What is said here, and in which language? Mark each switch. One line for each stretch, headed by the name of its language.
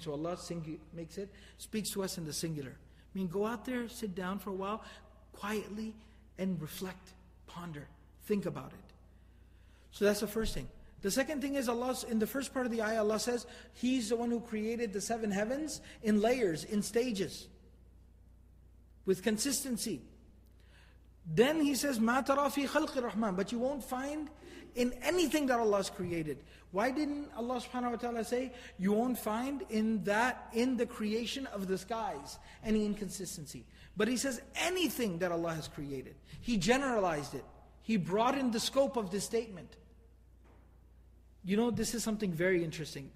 English: So Allah speaks to us in the singular. I mean, go out there, sit down for a while, quietly, and reflect, ponder, think about it. So that's the first thing. The second thing is Allah, in the first part of the ayah, Allah says, He's the one who created the seven heavens in layers, in stages, with consistency.
Arabic: Then He says, مَا تَرَى فِي خَلْقِ الرَّحْمَنِ.
English: But you won't find in anything that Allah has created. Why didn't Allah subhanahu wa ta'ala say, you won't find in that, in the creation of the skies, any inconsistency? But He says, anything that Allah has created. He generalized it. He broadened the scope of this statement. You know, this is something very interesting.